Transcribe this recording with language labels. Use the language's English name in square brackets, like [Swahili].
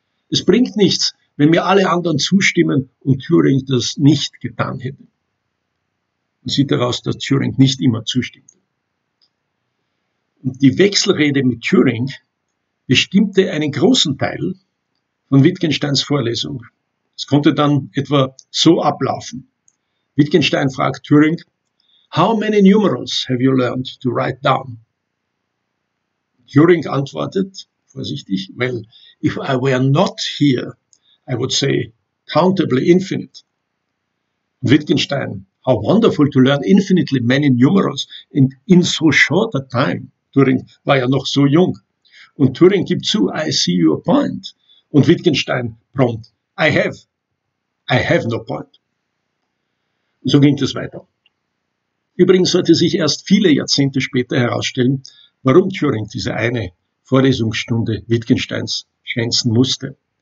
[German] Es bringt nichts, wenn mir alle anderen zustimmen und Turing das nicht getan hätte. Man sieht daraus, dass Turing nicht immer zustimmte. Und die Wechselrede mit Turing bestimmte einen großen Teil von Wittgensteins Vorlesung. Es konnte dann etwa so ablaufen. Wittgenstein fragt Turing, [English] how many numerals have you learned to write down? [German] Turing antwortet, vorsichtig, [English] well, if I were not here, I would say countably infinite. [German] Und Wittgenstein, [English] how wonderful to learn infinitely many numerals and in so short a time. [German] Turing war ja noch so jung. Und Turing gibt zu, [English] I see your point. [German] Und Wittgenstein prompt, [English] I have no point. [German] Und so ging das weiter. Übrigens sollte sich erst viele Jahrzehnte später herausstellen, warum Turing diese eine Vorlesungsstunde Wittgensteins schänzen musste.